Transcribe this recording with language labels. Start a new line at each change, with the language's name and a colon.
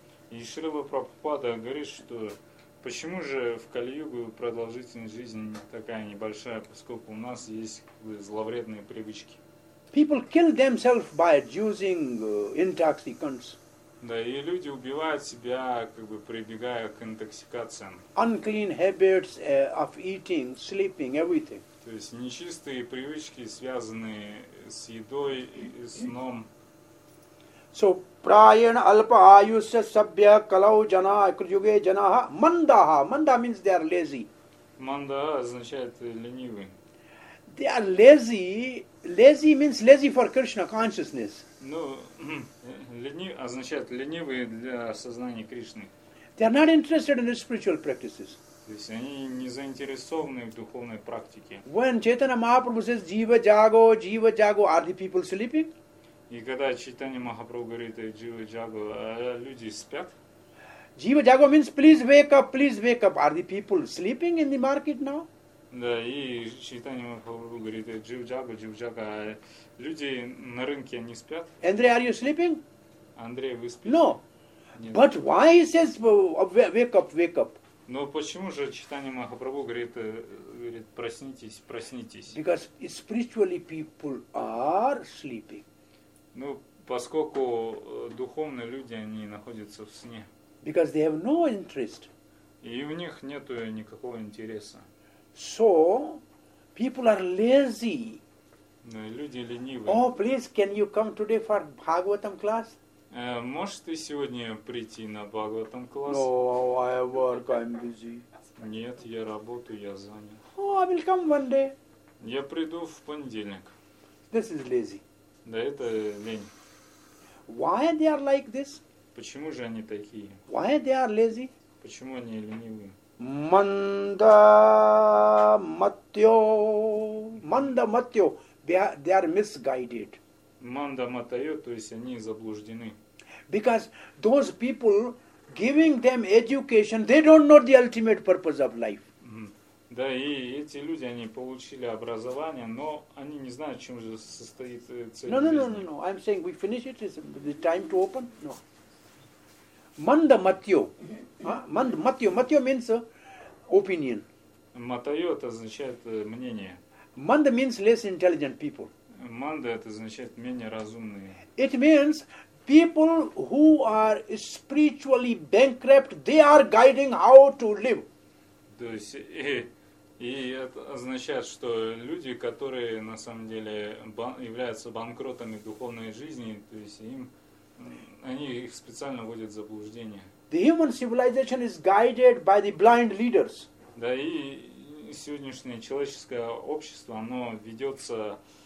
Russian: И Шрила Прабхупада говорит, что почему же в Кали-югу продолжительность жизни такая небольшая, поскольку у нас есть зловредные привычки.
English: People kill themselves by using intoxicants.
Russian: Да, и люди убивают себя, как бы прибегая к интоксикациям.
English: Unclean habits of eating, sleeping, everything.
Russian: То есть нечистые привычки, связанные с едой и сном.
Sanskrit: So, prayan alpa ayusya sabhya kalau jana yuge janaha mandaha.
English: Manda means they are lazy.
Russian: Manda означает ленивый.
English: They are lazy. Lazy means lazy for Krishna consciousness.
Russian: Ну, означает ленивый для сознания Кришны.
English: They are not interested in spiritual practices.
Russian: То есть они не заинтересованы в духовной практике.
English: When Chaitanya Mahaprabhu says jiva jago, are the people sleeping?
Russian: И когда Чайтанья Махапрабху говорит «Джива Джаго», люди спят?
English: «Джива Джаго» means please wake up, are the people sleeping in the market now?
Russian: Да, и Чайтанья Махапрабху говорит «Джива Джаго», а люди на рынке, они спят?
English: Андрей, are you sleeping?
Russian: Андрей, вы спите?
English: No.
Russian: Нет.
English: But why he says wake up, wake up?
Russian: Но почему же Чайтанья Махапрабху говорит «Проснитесь, проснитесь»?
English: Because spiritually people are sleeping.
Russian: Ну, поскольку духовные люди, они находятся в сне.
English: Because they have no interest.
Russian: И у них нет никакого интереса.
English: So, people are lazy.
Russian: Ну, люди ленивы.
English: Oh, please, can you come today for Bhagavatam class?
Russian: Можешь ты сегодня прийти на Бхагаватам класс?
English: No, I work, I'm busy.
Russian: Нет, я работаю, я занят.
English: Oh, I will come one day.
Russian: Я приду в понедельник.
English: This is lazy.
Russian: Да, это лень.
English: Why they are like this?
Russian: Почему же они такие?
English: Why they are lazy?
Russian: Почему они ленивые?
Sanskrit: Манда матьо. Манда матьо.
English: They are misguided.
Sanskrit: Манда матьо,
Russian: то есть они заблуждены.
English: Because those people giving them education, they don't know the ultimate purpose of life.
Russian: Да, и эти люди, они получили образование, но они не знают, чем же состоит цель
English: no, no,
Russian: жизни.
English: No. I'm saying we finish it. Is the time to open? No.
Sanskrit: Manda matyo. Manda matyo.
English: Matyo means opinion.
Russian: Matayo, это означает мнение.
English: Manda means less intelligent people.
Russian: Manda, это означает менее разумные.
English: It means people who are spiritually bankrupt, they are guiding how to live.
Russian: То есть, и это означает, что люди, которые на самом деле являются банкротами духовной жизни, то есть им, они их специально вводят в заблуждение.
English: The human civilization is guided by the blind leaders.
Russian: Да, и сегодняшнее человеческое общество, оно ведется